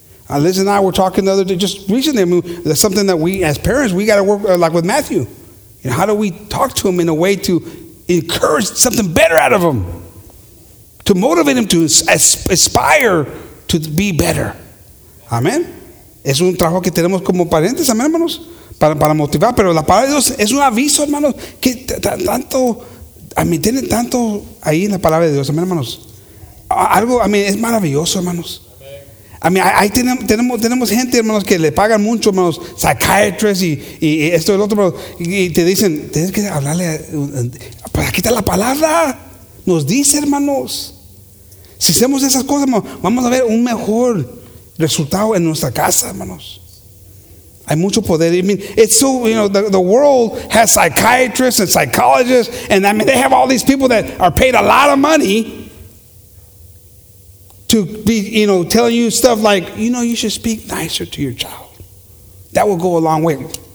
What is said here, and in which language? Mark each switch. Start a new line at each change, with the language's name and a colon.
English: Liz and I were talking the other day, just recently. I mean, that's something that we, as parents, we got to work like with Matthew. You know, how do we talk to him in a way to encourage something better out of him, to motivate him to aspire to be better? Amen.
Spanish: Es un trabajo que tenemos como parientes, amén, hermanos, para motivar. Pero la palabra de Dios es un aviso, hermanos, que tanto, a mí tiene tanto ahí en la palabra de Dios, amén, hermanos. Algo, I mean, es maravilloso, hermanos. I mean, ahí tenemos gente, hermanos, que le pagan mucho, hermanos, psychiatrists y esto y el otro, hermanos, y te dicen, tienes que hablarle, pues aquí está la palabra, nos dice, hermanos. Si hacemos esas cosas, hermanos, vamos a ver un mejor resultado en nuestra casa, hermanos. Hay mucho poder.
English: I mean, it's so, you know, the world has psychiatrists and psychologists, and I mean, they have all these people that are paid a lot of money to be, you know, telling you stuff like, you know, you should speak nicer to your child. That will go a long way.